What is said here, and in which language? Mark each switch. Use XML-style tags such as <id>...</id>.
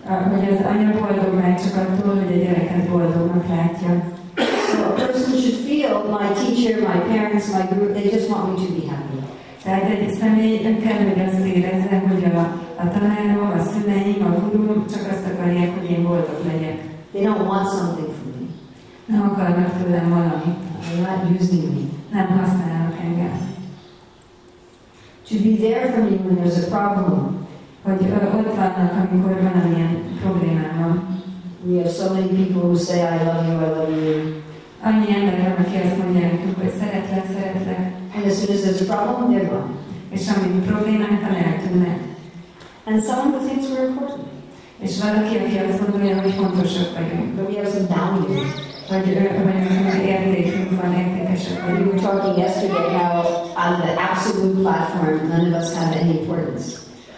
<hu>Hogy az anya boldog már csak attól, hogy a gyereket boldognak látja.</hu> <en>So a person should feel, my teacher, my parents, my guru, they just want me to be happy.</en> <hu>Tehát egy személy nem kell, hogy azt érezze, hogy a tanárom, a szüleim, a gurum csak azt akarják, hogy én boldog legyek.</hu> <en>They don't want something from me.</en> <hu>Nem akarnak tőlem valamit.</hu> <en>They're not using me.</en> <hu>Nem használnak engem.</hu> <en>To be there for me when there's a problem.</en> <hu>Hogy ott vannak, amikor van ilyen problémám van.</hu> <en>We have so many people who say, I love you, I love you.</en> <hu>Annyi ember, aki azt mondja nekünk, hogy szeretlek, szeretlek.</hu> <en>And as soon as there's a problem, they're gone.</en> <hu>És amíg problémát nem eltűnnek.</hu> <en>And some of the things were important.</en> <hu>És valaki, aki azt mondja, hogy fontosak vagyunk.</hu> <en>But we have some values. We were talking yesterday how on the absolute platform none of us have any importance.</en>